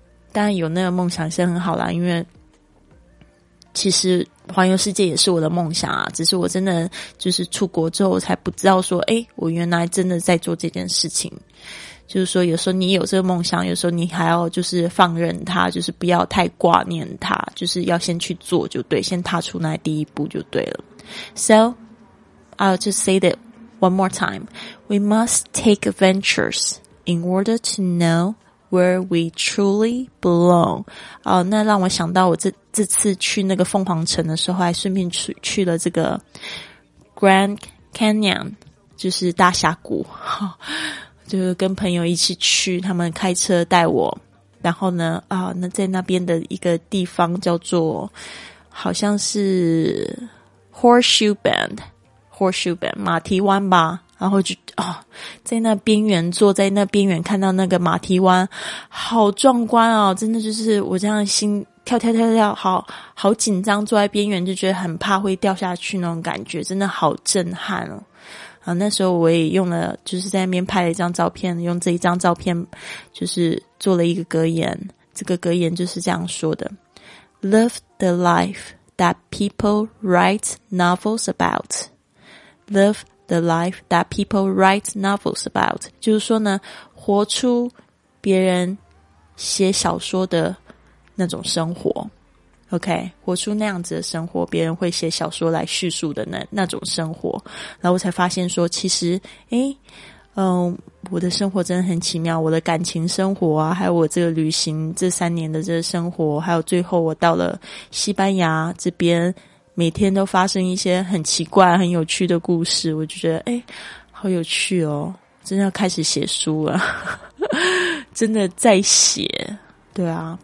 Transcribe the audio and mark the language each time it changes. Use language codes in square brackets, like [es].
[zh] 当然有那个梦想是很好啦，因为其实环游世界也是我的梦想啊，只是我真的就是出国之后才不知道说，诶，我原来真的在做这件事情。就是说有时候你有这个梦想，有时候你还要就是放任它，就是不要太挂念它，就是要先去做就对，先踏出那第一步就对了。 [en] So I'll just say that one more time. We must take adventures in order to know where we truly belong. [zh] 那让我想到我 这次去那个凤凰城的时候，还顺便 去了这个 Grand Canyon， 就是大峡谷，就是跟朋友一起去，他们开车带我，然后呢那在那边的一个地方叫做好像是 Horseshoe Bend 马蹄湾吧，然后就在那边缘坐在那边缘看到那个马蹄湾，好壮观哦，真的就是我这样心跳跳跳跳，好好紧张，坐在边缘就觉得很怕会掉下去那种感觉，真的好震撼哦。那时候我也用了，就是在那边拍了一张照片，用这一张照片就是做了一个格言，这个格言就是这样说的， [en] Live the life that people write novels about. Live the life that people write novels about. [zh] 就是说呢，活出别人写小说的那种生活， OK， 活出那样子的生活，别人会写小说来叙述的那种生活。然后我才发现说，其实我的生活真的很奇妙，我的感情生活啊，还有我这个旅行这3年的这个生活，还有最后我到了西班牙这边，每天都发生一些很奇怪很有趣的故事，我就觉得好有趣哦，真的要开始写书了真的在写，对啊。